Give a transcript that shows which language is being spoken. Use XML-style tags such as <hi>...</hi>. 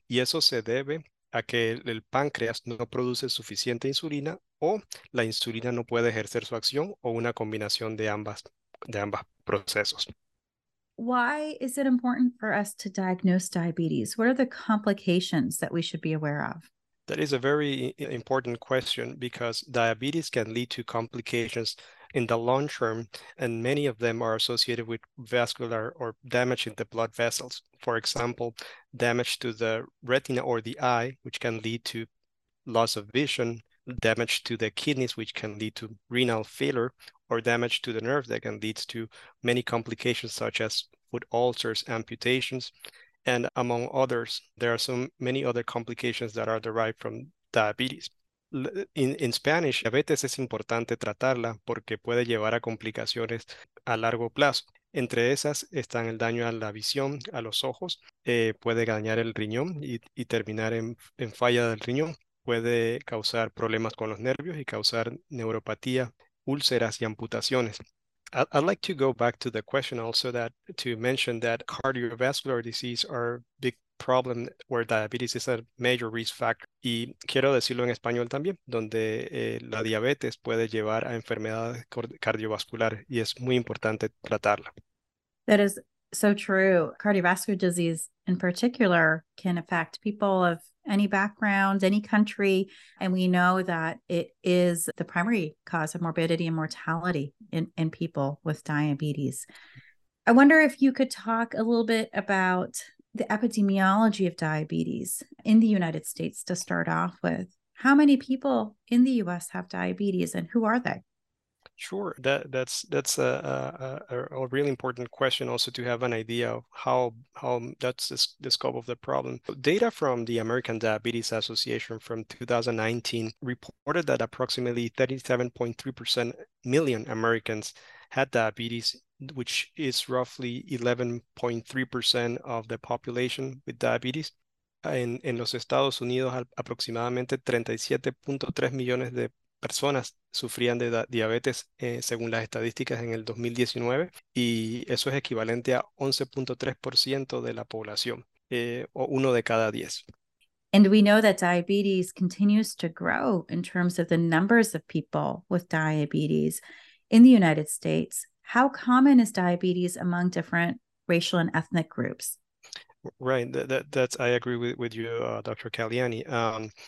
<es>Y eso se debe a que el páncreas no produce suficiente insulina o la insulina no puede ejercer su acción o una combinación de ambas procesos.</es> <en>Why is it important for us to diagnose diabetes? What are the complications that we should be aware of? That is a very important question, because diabetes can lead to complications in the long term, and many of them are associated with vascular or damage in the blood vessels. For example, damage to the retina or the eye, which can lead to loss of vision, damage to the kidneys, which can lead to renal failure, or damage to the nerve that can lead to many complications such as foot ulcers, amputations, and among others. There are so many other complications that are derived from diabetes. In Spanish,</en> <es>diabetes es importante tratarla porque puede llevar a complicaciones a largo plazo. Entre esas están el daño a la visión, a los ojos, puede dañar el riñón y terminar en falla del riñón, puede causar problemas con los nervios y causar neuropatía, úlceras y amputaciones.</es> <en>I'd like to go back to the question also that to mention that cardiovascular disease are big problem where diabetes is a major risk factor.</en> <es>Y quiero decirlo en español también, donde la diabetes puede llevar a enfermedades cardiovasculares y es muy importante tratarla.</es> <en>That is so true. Cardiovascular disease in particular can affect people of any background, any country, and we know that it is the primary cause of morbidity and mortality in people with diabetes. I wonder if you could talk a little bit about the epidemiology of diabetes in the United States to start off with. How many people in the U.S. have diabetes, and who are they? Sure, that's a really important question also to have an idea of how that's the scope of the problem. Data from the American Diabetes Association from 2019 reported that approximately 37.3% million Americans had diabetes, which is roughly 11.3% of the population with diabetes.</en> <es>En los Estados Unidos, aproximadamente 37.3 millones de personas sufrían de diabetes según las estadísticas en el 2019, y eso es equivalente a 11.3% de la población, o uno de cada 10.</es> <en>And we know that diabetes continues to grow in terms of the numbers of people with diabetes in the United States. How common is diabetes among different racial and ethnic groups? Right. That's I agree with you, Dr. Caliani.</en>